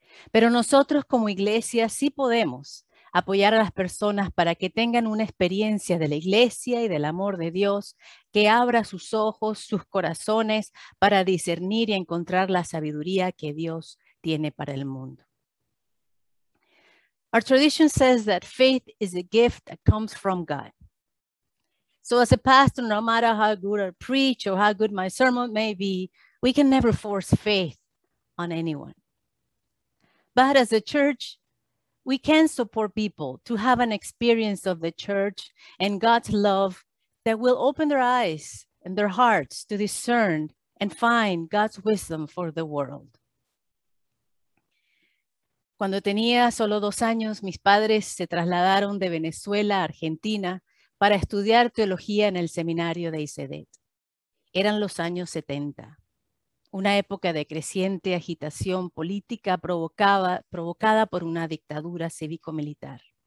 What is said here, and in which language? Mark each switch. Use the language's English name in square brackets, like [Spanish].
[Spanish] Pero nosotros como iglesia sí podemos apoyar a las personas para que tengan una experiencia de la iglesia y del amor de Dios que abra sus ojos, sus corazones para discernir y encontrar la sabiduría que Dios tiene para el mundo. [English] Our tradition says that faith is a gift that comes from God. So as a pastor, no matter how good I preach or how good my sermon may be, we can never force faith on anyone. But as a church, we can support people to have an experience of the church and God's love that will open their eyes and their hearts to discern and find God's wisdom for the world. [Spanish] Cuando tenía solo 2 años, mis padres se trasladaron de Venezuela a Argentina para estudiar teología en el seminario de ICEDET. Eran los años 70, una época de creciente agitación política provocada por una dictadura cívico-militar.